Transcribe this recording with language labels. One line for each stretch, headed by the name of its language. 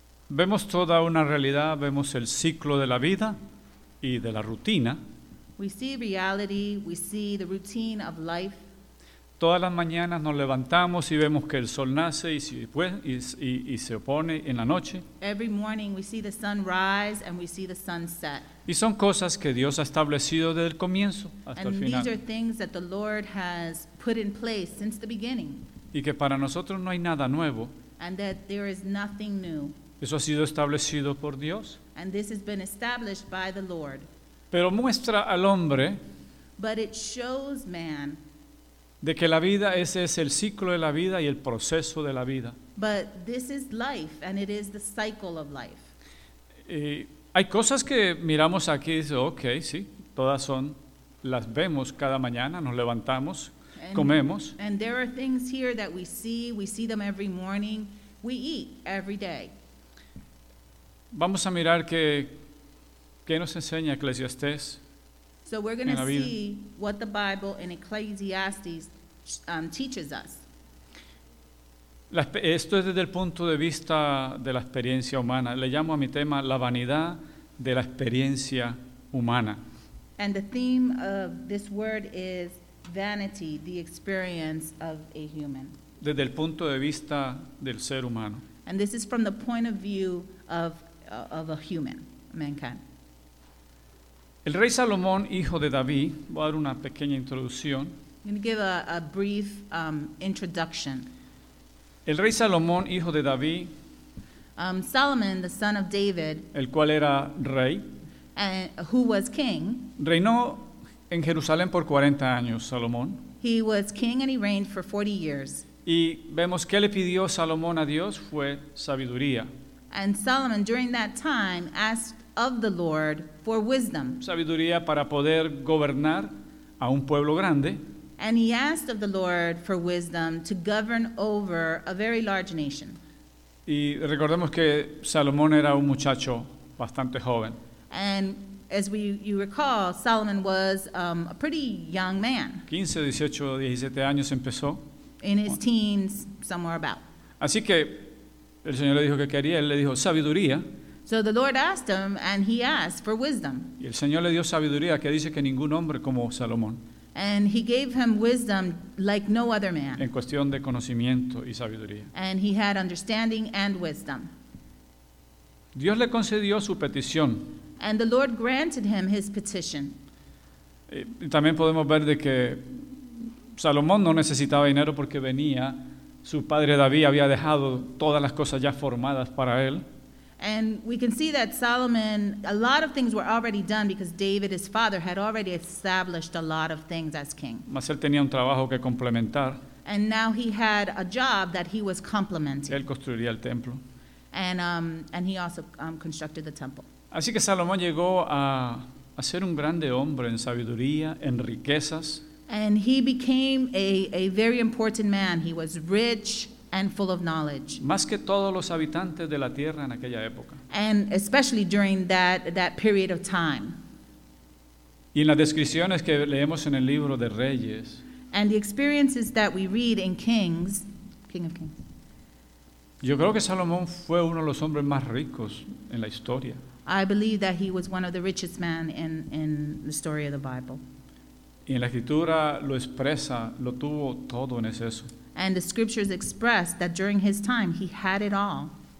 Spanish: Vemos toda una realidad, vemos el ciclo de la vida y de la rutina.
English: We see reality, we see the routine of life.
Spanish: Todas las mañanas nos levantamos y vemos que el sol nace y se opone en la noche.
English: Every morning we see the sun rise and we see the sun set.
Spanish: Y son cosas que Dios ha establecido desde el comienzo hasta el final.
English: And these are things that the Lord has put in place since the beginning.
Spanish: Y que para nosotros no hay nada nuevo.
English: And that there is nothing new.
Spanish: Eso ha sido establecido por Dios.
English: And this has been established by the Lord.
Spanish: Pero muestra al hombre.
English: But it shows man.
Spanish: De que la vida, ese es el ciclo de la vida y el proceso de la vida.
English: But this is life and it is the cycle of life.
Spanish: Y hay cosas que miramos aquí y dice, okay, sí, todas son, las vemos cada mañana, nos levantamos, comemos.
English: And there are things here that we see them every morning, we eat every day.
Spanish: Vamos a mirar qué nos enseña Eclesiastés.
English: So we're going to see what the Bible in Ecclesiastes teaches us.
Spanish: Esto es desde el punto de vista de la experiencia humana. Le llamo a mi tema la vanidad de la experiencia humana.
English: And the theme of this word is vanity, the experience of a human.
Spanish: Desde el punto de vista del ser humano.
English: And this is from the point of view of a human, mankind.
Spanish: El rey Salomón, hijo de David, voy a dar una pequeña introducción.
English: I'm going to give a brief introduction.
Spanish: El rey Salomón, hijo de David.
English: Solomon, the son of David.
Spanish: El cual era rey.
English: And who was king.
Spanish: Reinó en Jerusalén por 40 años, Salomón.
English: He was king and he reigned for 40 years.
Spanish: Y vemos que le pidió Salomón a Dios fue sabiduría.
English: And Solomon, during that time, asked of the Lord for wisdom.
Spanish: Sabiduría para poder gobernar a un pueblo grande.
English: And he asked of the Lord for wisdom to govern over a very large nation.
Spanish: Y recordemos que Salomón era un muchacho bastante joven.
English: And as we you recall, Solomon was a pretty young man.
Spanish: 15, 18, 17 años empezó.
English: In his teens, somewhere about.
Spanish: Así que el Señor le dijo que quería, él le dijo sabiduría.
English: So the Lord asked him, and he asked for wisdom.
Spanish: Y el Señor le dio sabiduría, que dice que ningún hombre como Salomón.
English: And he gave him wisdom like no other man.
Spanish: En cuestión de conocimiento y sabiduría.
English: And he had understanding and wisdom.
Spanish: Dios le concedió su petición.
English: And the Lord granted him his petition.
Spanish: Y también podemos ver de que Salomón no necesitaba dinero porque venía, su padre David había dejado todas las cosas ya formadas para él.
English: And we can see that Solomon, a lot of things were already done because David, his father, had already established a lot of things as king.
Spanish: Mas él tenía un trabajo que complementar.
English: And now he had a job that he was complementing.
Spanish: Él construiría el templo.
English: And he also constructed the temple.
Spanish: Así que Salomón llegó a ser un grande hombre en sabiduría, en riquezas.
English: And he became a very important man. He was rich and full of knowledge.
Spanish: Más que todos los habitantes de la tierra en aquella época.
English: And especially during that period of time.
Spanish: Y en las descripciones que leemos en el libro de Reyes.
English: And the experiences that we read in Kings, King of Kings.
Spanish: Yo creo que Salomón fue uno de los hombres más ricos en la historia.
English: I believe that he was one of the richest men in the story of the Bible.
Spanish: Y en la escritura lo expresa, lo tuvo todo en exceso.
English: And the scriptures express that during his time he had it all.